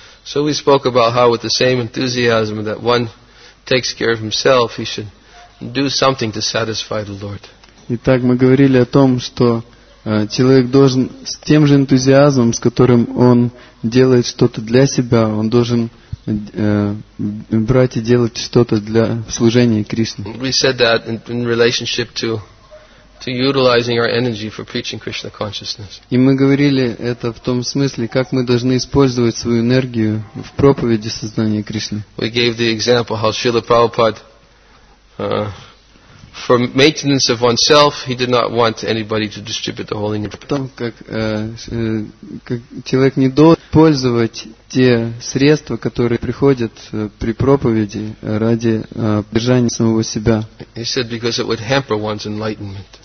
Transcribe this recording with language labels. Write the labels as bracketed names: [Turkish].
[English] So we spoke about how with the same enthusiasm that one takes care of himself, he should do something to satisfy the Lord. [Russian] Итак, мы говорили о том, что человек должен с тем же энтузиазмом, с которым он делает что-то для себя, он должен брать и делать что-то для служения Кришне. [English] We said that in relationship to utilizing our energy for preaching Krishna consciousness. [Russian] И мы говорили это в том смысле, как мы должны использовать свою энергию в проповеди сознания Кришны. [English] We gave the example how Srila Prabhupada for maintenance of oneself, he did not want anybody to distribute the holy name. [Russian] Потом, как человек не должен использовать те средства, которые приходят при проповеди ради поддержания самого себя. [English] He said because it would hamper one's enlightenment.